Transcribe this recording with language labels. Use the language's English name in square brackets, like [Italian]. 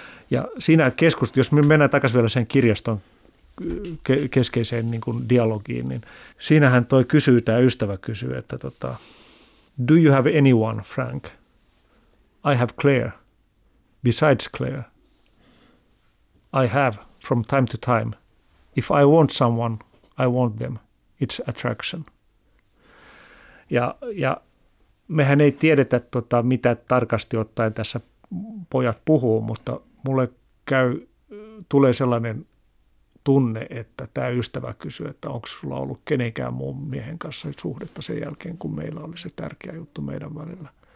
[Finnish] Ja siinä jos me mennään takaisin vielä sen kirjaston keskeiseen niin kuin dialogiin, niin siinähän toi kysyy, tämä ystävä kysyy, että [English] do you have anyone, Frank? I have Claire. Besides Claire, I have from time to time. If I want someone, I want them. It's attraction. [Finnish] Ja mehän ei tiedetä, mitä tarkasti ottaen tässä pojat puhuu, mutta mulle tulee sellainen tunne, että tämä ystävä kysyy, että onko sulla ollut kenenkään muun miehen kanssa suhdetta sen jälkeen, kun meillä oli se tärkeä juttu meidän välillä.